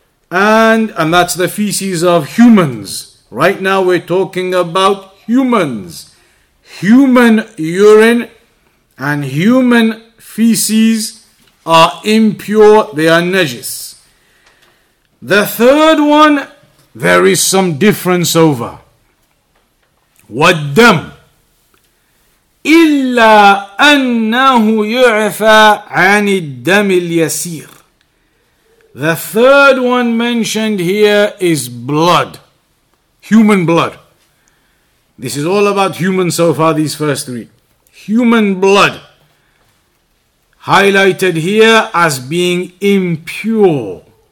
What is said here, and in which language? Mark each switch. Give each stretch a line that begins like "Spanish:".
English: And that's the feces of humans. Right now we're talking about humans. Human urine and human feces are impure, they are najis. The third one, there is some difference over.
Arabic: والدم إلا أنه يعفى عن الدم اليسير.
English: The third one mentioned here is blood, human blood. This is all about human so far, these first three. Human blood, highlighted here as being impure.